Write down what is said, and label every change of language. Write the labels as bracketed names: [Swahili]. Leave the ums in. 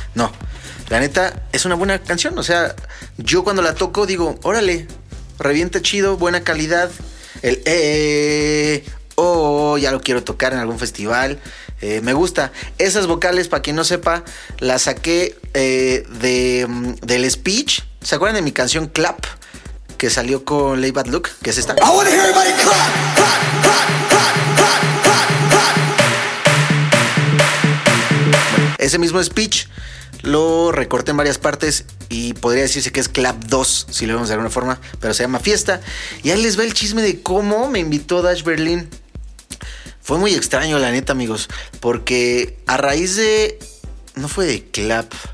[Spanish] No, la neta es una buena canción, o sea, yo cuando la toco digo, órale, revienta chido, buena calidad, el eh, eh, oh, ya lo quiero tocar en algún festival. Eh, me gusta. Esas vocales, para quien no sepa, las saqué eh, de, mm, del speech. ¿Se acuerdan de mi canción Clap? Que salió con Lay Bad Look, que es esta. [English] I want to hear everybody clap, clap, clap, clap, clap, clap, clap. [Spanish] Ese mismo speech lo recorté en varias partes y podría decirse que es Clap 2, si lo vemos de alguna forma, pero se llama Fiesta. Y ahí les va el chisme de cómo me invitó Dash Berlin. Fue muy extraño, la neta, amigos, porque a raíz de. No fue de Clap.